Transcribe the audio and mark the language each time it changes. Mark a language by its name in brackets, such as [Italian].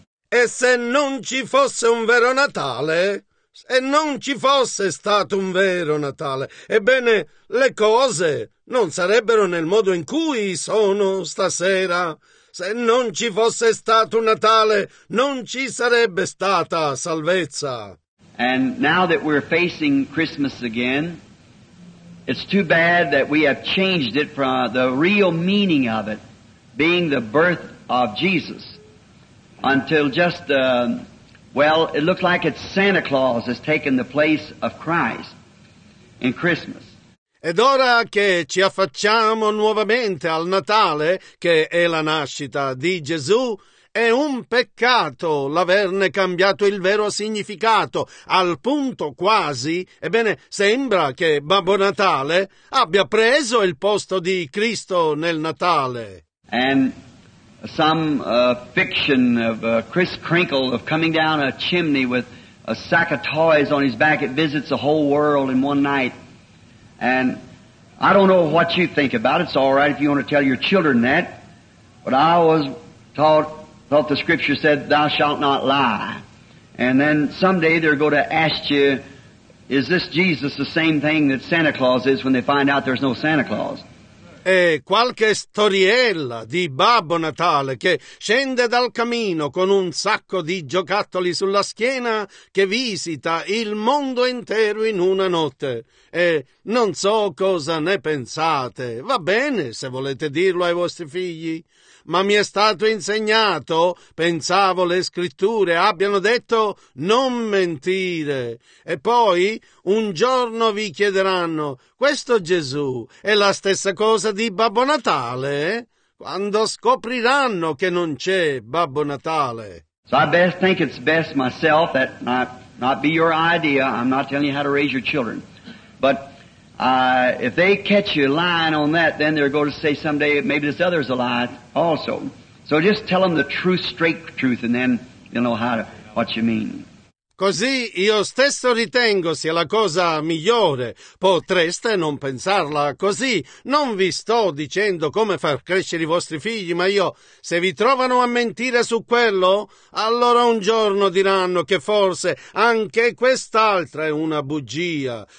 [Italian] E se non ci fosse un vero Natale? Se non ci fosse stato un vero Natale, ebbene, le cose non sarebbero nel modo in cui sono stasera. Se non ci fosse stato un Natale, non ci sarebbe stata salvezza. [English] And now that we're facing Christmas again, it's too bad that we have changed it from the real meaning of it, being the birth of Jesus, until just well, it looks like it's Santa Claus has taken the place of Christ in Christmas. [Italian] Ed ora che ci affacciamo nuovamente al Natale, che è la nascita di Gesù, è un peccato l'averne cambiato il vero significato, al punto quasi, ebbene, sembra che Babbo Natale abbia preso il posto di Cristo nel Natale. [English] And some fiction of Kris Kringle of coming down a chimney with a sack of toys on his back, it visits the whole world in one night. And I don't know what you think about it. It's all right if you want to tell your children that. But I was thought the Scripture said, thou shalt not lie. And then someday they're going to ask you, is this Jesus the same thing that Santa Claus is when they find out there's no Santa Claus? [Italian] E qualche storiella di Babbo Natale che scende dal camino con un sacco di giocattoli sulla schiena che visita il mondo intero in una notte. E non so cosa ne pensate, va bene se volete dirlo ai vostri figli, ma mi è stato insegnato, pensavo le scritture abbiano detto non mentire. E poi un giorno vi chiederanno, questo Gesù è la stessa cosa di Babbo Natale? Quando scopriranno che non c'è Babbo Natale. [English] So I best think it's best myself that not be your idea, I'm not telling you how to raise your children. But if they catch you lying on that, then they're going to say someday, maybe this other's a lie also. So just tell them the truth, straight truth, and then they'll know what you mean. [Italian] Così io stesso ritengo sia la cosa migliore. Potreste non pensarla così. Non vi sto dicendo come far crescere i vostri figli, ma io, se vi trovano a mentire su quello, allora un giorno diranno che forse anche quest'altra è una bugia.